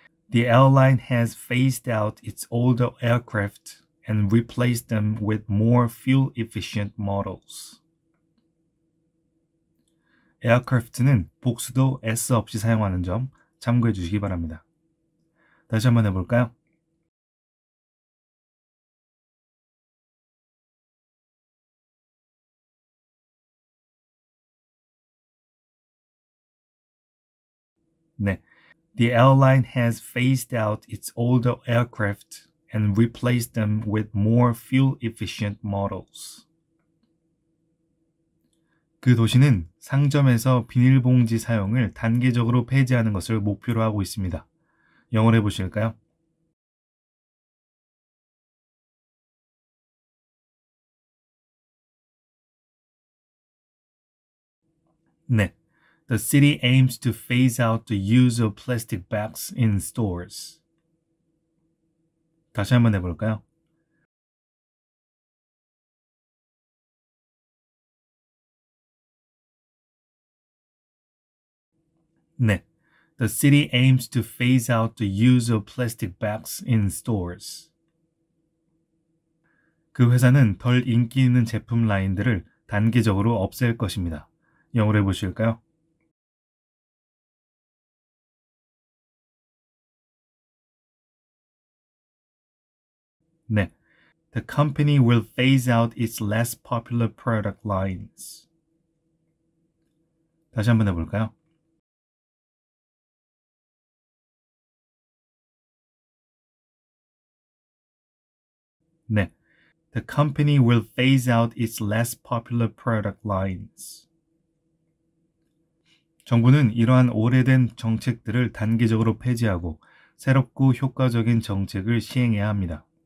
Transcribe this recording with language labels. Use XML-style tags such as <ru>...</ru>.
<en>The airline has phased out its older aircraft and replaced them with more fuel-efficient models.</en> <ko>에어크래프트는 복수도 S 없이 사용하는 점 참고해 주시기 바랍니다. 다시 한번 해볼까요?</ko> <en>The airline has phased out its older aircraft and replaced them with more fuel-efficient models.</en> <ko>그 도시는 상점에서 비닐봉지 사용을 단계적으로 폐지하는 것을 목표로 하고 있습니다. 영어로 해보실까요?</ko> <en>The city aims to phase out the use of plastic bags in stores.</en> <ko>다시 한번 해볼까요? 네.</ko> <en>The city aims to phase out the use of plastic bags in stores.</en> <ko>그 회사는 덜 인기 있는 제품 라인들을 단계적으로 없앨 것입니다. 영어로 해보실까요?</ko> <en>The company will phase out its less popular product lines.</en> <ko>다시 한번 해볼까요?</ko> <en>The company will phase out its less popular product lines.</en> <ko>정부는 이러한 오래된 정책들을 단계적으로 폐지하고 새롭고 효과적인 정책을 시행해야 합니다.</ko>